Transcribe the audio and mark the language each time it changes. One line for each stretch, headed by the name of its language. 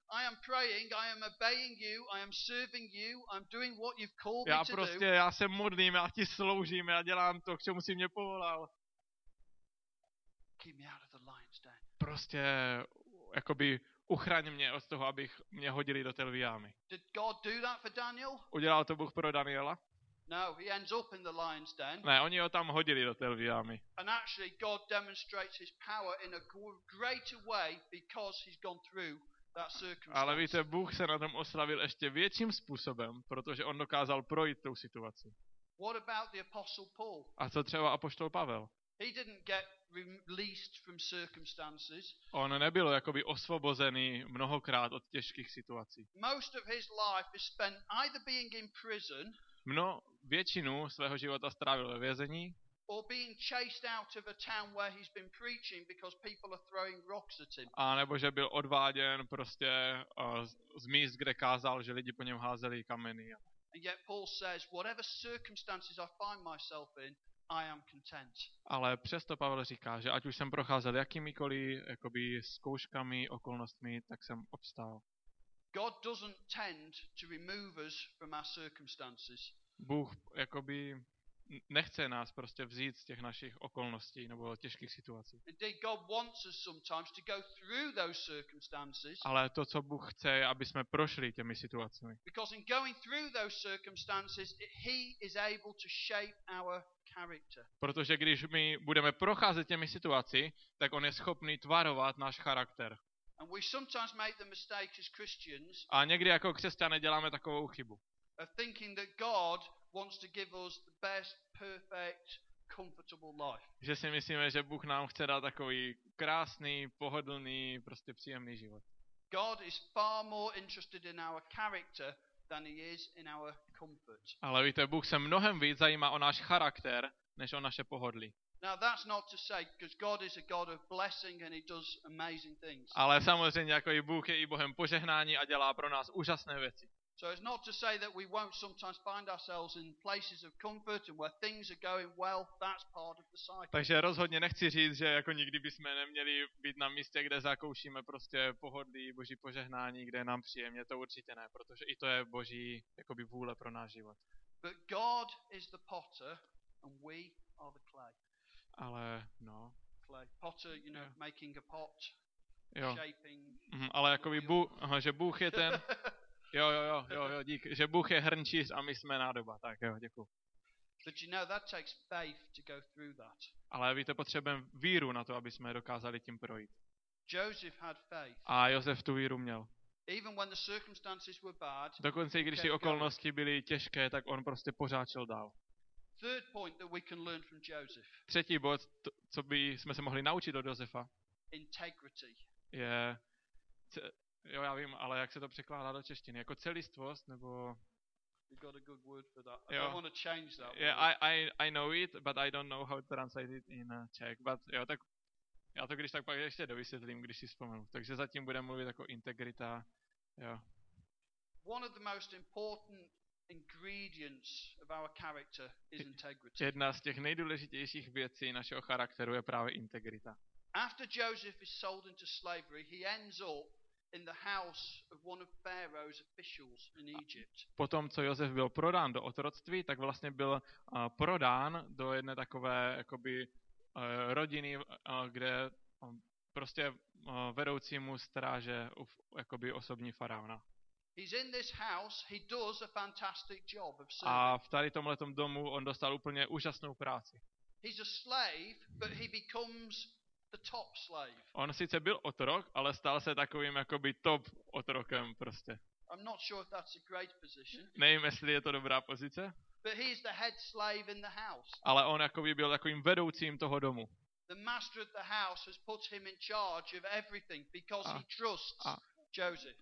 English: I am praying, I am obeying you, I am serving you, I'm doing what you've called me to do.
Czech: Já prostě, já se modlím, já ti sloužím, já dělám to, k čemu jsi mě povolal.
English: Keep me out of the lion's den.
Czech: Prostě, jakoby, uchraň mě od toho, abych mě hodili do té lví jámy.
English: Did God do that for Daniel?
Czech: Udělal to Bůh pro Daniela?
English: No, he ends up in the lion's den.
Czech: Ne, oni ho tam hodili do té lví jámy.
English: And actually, God demonstrates his power in a greater way because he's gone through that circumstance.
Czech: Ale víte, Bůh se na tom oslavil ještě větším způsobem, protože on dokázal projít tou situaci.
English: What about the apostle Paul?
Czech: A co třeba apoštol Pavel?
English: He didn't get released from circumstances.
Czech: On nebyl jakoby osvobozený mnohokrát od těžkých situací.
English: Most of his life is spent either being in prison.
Czech: Většinu svého života strávil ve vězení.
English: Or being chased out of a town where he's been preaching because people are throwing rocks at him.
Czech: A nebo že byl odváděn prostě z míst, kde kázal, že lidi po něm házeli kameny.
English: And yet Paul says, whatever circumstances I find myself in, I am content.
Czech: Ale přesto Pavel říká, že ať už jsem procházel jakýmikoli jakoby zkouškami, okolnostmi, tak jsem obstál.
English: God doesn't tend to remove us from our circumstances.
Czech: Bůh jakoby nechce nás prostě vzít z těch našich okolností nebo těžkých situací.
English: Indeed, God wants us sometimes to go through those circumstances.
Czech: Ale to, co Bůh chce, je, aby jsme prošli těmi situacemi.
English: Because in going through those circumstances, he is able to shape our character.
Czech: Protože když my budeme procházet těmi situaci, tak on je schopný tvarovat náš charakter.
English: And we sometimes make the mistake as Christians.
Czech: A někdy jako křesťané děláme takovou chybu.
English: Of thinking that God wants to give us the best perfect comfortable life.
Czech: Že si myslíme, že Bůh nám chce dát takový krásný, pohodlný, prostě příjemný život.
English: God is far more interested in our character than he is in our comfort.
Czech: Ale víte, Bůh se mnohem víc zajímá o náš charakter, než o naše pohodlí.
English: Now that's not to say, because God is a God of blessing and he does amazing things.
Czech: Ale samozřejmě jako i Bůh je i Bohem požehnání a dělá pro nás úžasné věci.
English: So it's not to say that we won't sometimes find ourselves in places of comfort and where things are going well, that's part of the cycle.
Czech: Takže rozhodně nechci říct, že jako nikdy bychom neměli být na místě, kde zakoušíme prostě pohodlí, Boží požehnání, kde je nám příjemně, to určitě ne, protože i to je Boží jakoby vůle pro náš život.
English: But God is the potter and we are the clay.
Czech: Ale no.
English: Clay. Potter, you know, yeah. Making a pot,
Czech: jo.
English: Shaping.
Czech: Ale jakoby Bůh je ten... Jo, dík, že Bůh je hrnčíř a my jsme nádoba, tak jo, děkuju.
English: But you know, that takes faith to go through that.
Czech: Ale víte, potřebujeme víru na to, aby jsme dokázali tím projít.
English: Joseph had faith.
Czech: A Josef tu víru měl.
English: Even when the circumstances were bad,
Czech: dokonce i když ty okolnosti byly těžké, tak on prostě pořád šel dál.
English: Third point that we can learn from Joseph.
Czech: Třetí bod, co by jsme se mohli naučit od Josefa.
English: Integrity.
Czech: Je... Jo, já vím, ale jak se to překládá do češtiny? Jako celistvost, nebo...
English: You got a good word for that. I don't want to change that. Yeah, I know it, but I don't know how to translate it in Czech.
Czech: But jo, tak já to když tak pak ještě dovysvětlím, když si vzpomenu. Takže zatím budeme mluvit jako integrita, jo.
English: One of the most important ingredients of our character is integrity.
Czech: Jedna z těch nejdůležitějších věcí našeho charakteru je právě integrita.
English: After Joseph is sold into slavery, he ends up in the house of one of Pharaoh's officials in Egypt.
Czech: Potom co Josef byl prodán do otroctví, tak vlastně byl prodán do jedné takové jakoby rodiny, kde prostě vedoucímu stráže jakoby osobní faraona.
English: He's in this house, he does a fantastic job of serving.
Czech: A v tady tomhle tom domu on dostal úplně úžasnou práci.
English: He's a slave, but he becomes the top slave.
Czech: On sice byl otrok, ale stal se takovým jakoby top otrokem prostě.
English: I'm not sure if that's a great position.
Czech: Nevím, jestli je to dobrá pozice.
English: But he's the head slave in the house.
Czech: Ale on jakoby byl takovým vedoucím toho domu.
English: The master of the house has put him in charge of everything because he trusts Joseph.